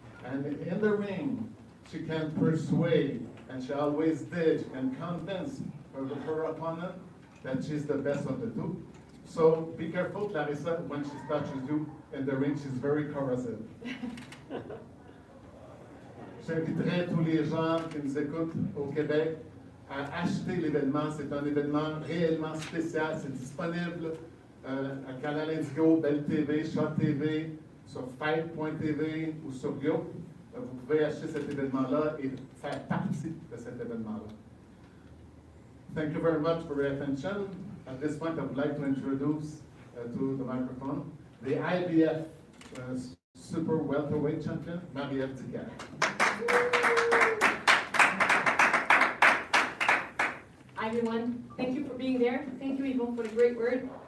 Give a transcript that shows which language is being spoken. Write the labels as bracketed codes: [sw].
[en] And in the ring, she can persuade, and she always did, and convince her opponent that she's the best of the two. So be careful, Claressa, when she touches you in the ring, she's very corrosive. [fr] J'inviterai tous les gens qui nous écoutent au Québec à acheter l'événement. C'est un événement réellement spécial. C'est disponible à Canal Indigo, Bell TV, Shaw TV, sur Fight.tv ou sur Yo. Vous pouvez acheter cet événement-là et faire partie de cet événement-là. [en] Thank you very much for your attention. At this point, I would like to introduce to the microphone the IBF Super Welterweight Champion, Marie-Ève Dicaire. Hi everyone, thank you for being there. Thank you Yvonne for the great word.